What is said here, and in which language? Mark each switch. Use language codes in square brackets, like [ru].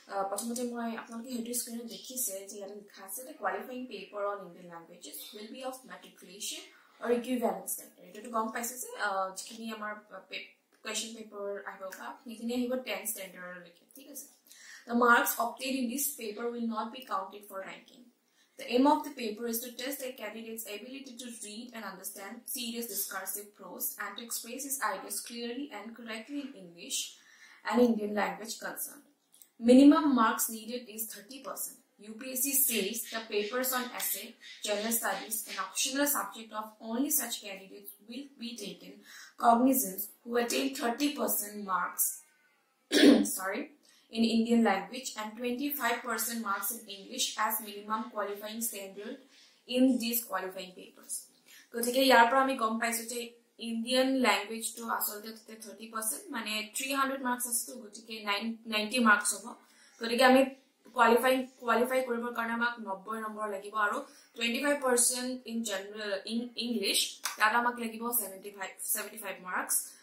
[as] প্ৰথমতে মই আপোনালোকে সেইটো স্ক্ৰীণত দেখিছে যে ইয়াত লিখা আছে যে [en] Qualifying paper on Indian languages will be of matriculation or equivalence standard. [as] এইটোতো গম পাইছে যে যিখিনি আমাৰ কুৱেশ্যন পেপাৰ আহিব বা সেইখিনি আহিব 10 ষ্টেণ্ডাৰ্ডলৈকে, ঠিক আছে। [en] The marks obtain in this paper will not be counted for ranking. The aim of the paper is to test a candidate's ability to read and understand serious discursive prose and to express his ideas clearly and correctly in English and Indian language concerned. Minimum marks needed is 30%. UPSC says the papers on essay, general studies, and optional subject of only such candidates will be taken cognizance who attain 30% marks in Indian language and 25% marks in English as minimum qualifying standard in these qualifying papers. [as] গতিকে ইয়াৰ পৰা আমি গম পাইছো যে Indian লেংগুৱেজটো আচলতে 30% মানে 300 marks আছেতো, গতিকে 90 মাৰ্কছ হ'ব। গতিকে আমি কোৱালিফাই কৰিবৰ কাৰণে আমাক 90 নম্বৰ লাগিব আৰু 25% ইন জেনেৰেল ইন ইংলিছ তাত আমাক লাগিব 75 মাৰ্কছ।